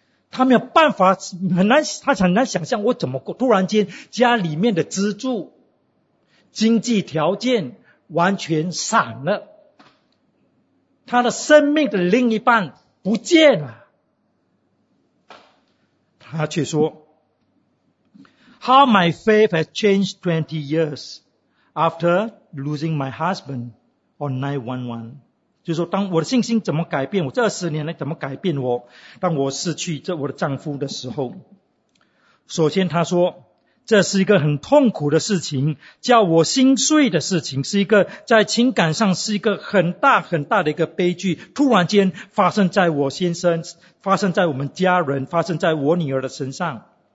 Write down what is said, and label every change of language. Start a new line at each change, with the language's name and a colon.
Chinese: 他没有办法，他很难想象我怎么过。突然间家里面的支柱、经济条件完全散了，他的生命的另一半不见了。
English: 他却说 How my faith has changed 20 years after losing my husband on 911。
Chinese: 就是说当我的信心怎么改变，我这20年来怎么改变我，当我失去这我的丈夫的时候。首先他说这是一个很痛苦的事情，叫我心碎的事情，是一个在情感上是一个很大很大的一个悲剧，突然间发生在我先生、发生在我们家人、发生在我女儿的身上。